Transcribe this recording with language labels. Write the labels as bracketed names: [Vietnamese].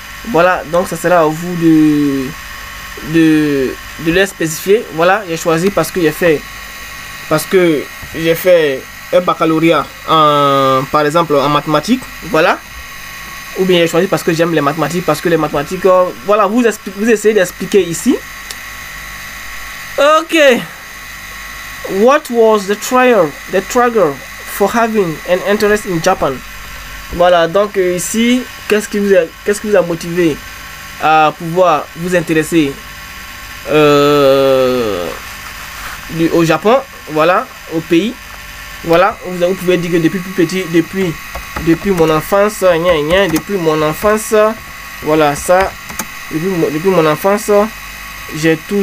[French] Voilà, donc ça sera à vous de les spécifier. Voilà, j'ai choisi parce que j'ai fait un baccalauréat par exemple en mathématiques. Voilà, ou bien j'ai choisi parce que j'aime les mathématiques, voilà, vous essayez d'expliquer ici. [English] Ok, what was the trigger for having an interest in Japan? [French] Voilà, donc ici, qu'est-ce qui vous a motivé à pouvoir vous intéresser au Japon? Voilà, au pays. Voilà, vous pouvez dire que depuis plus petit, depuis mon enfance, depuis mon enfance, j'ai